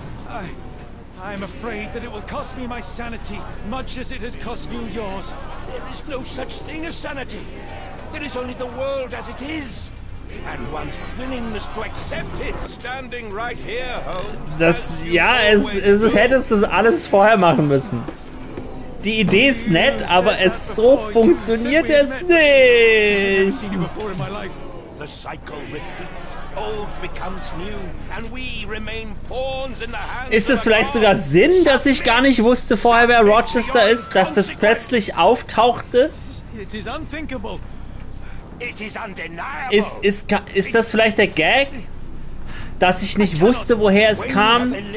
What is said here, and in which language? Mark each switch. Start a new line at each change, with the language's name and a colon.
English: I'm afraid that it will cost me my sanity, much as it has cost you yours. There is no such thing as sanity. There is only the world as it is. And one's willingness to accept it. Standing right here, Holmes.
German: Das, ja, es hättest du das alles vorher machen müssen. Die Idee ist nett, aber es so funktioniert es nicht.
English: The The cycle repeats. Old becomes new, and we remain pawns in the hands.
German: Ist es vielleicht sogar Sinn, dass ich gar nicht wusste vorher, wer Rochester ist, dass das plötzlich auftauchte?
English: It is unthinkable. It is undeniable.
German: Ist das vielleicht der Gag, dass ich nicht wusste, woher es kam?